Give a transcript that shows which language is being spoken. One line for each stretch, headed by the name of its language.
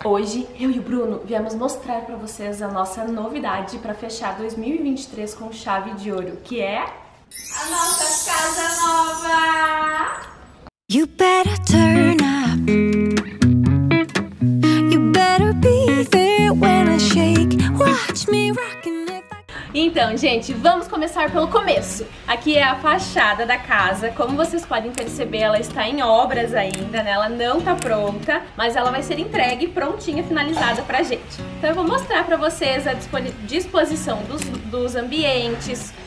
Portuguese: Hoje eu e o Bruno viemos mostrar para vocês a nossa novidade para fechar 2023 com chave de ouro, que é a nossa casa nova!
English: You better turn up. You better be there when I shake. Watch me rockin' if I...
Portuguese: Então, gente, vamos começar pelo começo. Aqui é a fachada da casa. Como vocês podem perceber, ela está em obras ainda, né? Ela não está pronta, mas ela vai ser entregue prontinha, finalizada para a gente. Então, eu vou mostrar para vocês a disposição dos ambientes.